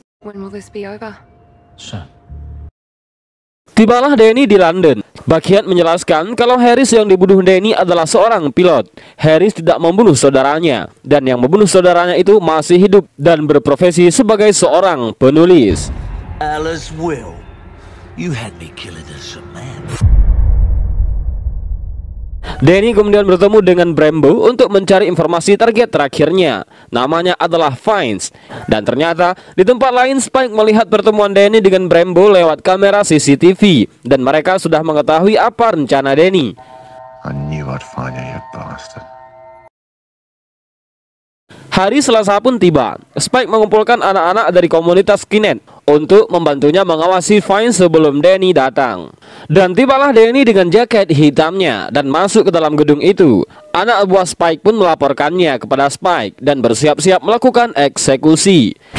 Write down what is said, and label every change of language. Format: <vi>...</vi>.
<en>When will this be over?</en> <id>Tibalah Danny di London. Bakiat menjelaskan kalau Harris yang dibunuh Danny adalah seorang pilot. Harris tidak membunuh saudaranya, dan yang membunuh saudaranya itu masih hidup dan berprofesi sebagai seorang penulis.</id> <en>Alice Will, you had me killing this man.</en> <id>Danny kemudian bertemu dengan Brembo untuk mencari informasi target terakhirnya. Namanya adalah Fiennes. Dan ternyata, di tempat lain Spike melihat pertemuan Danny dengan Brembo lewat kamera CCTV. Dan mereka sudah mengetahui apa rencana Danny.</id> <en>I knew I'd find you, you bastard.</en> <id>Hari Selasa pun tiba. Spike mengumpulkan anak-anak dari komunitas Kinet untuk membantunya mengawasi Fiennes sebelum Danny datang. Dan tibalah Danny dengan jaket hitamnya dan masuk ke dalam gedung itu. Anak buah Spike pun melaporkannya kepada Spike dan bersiap-siap melakukan eksekusi.</id>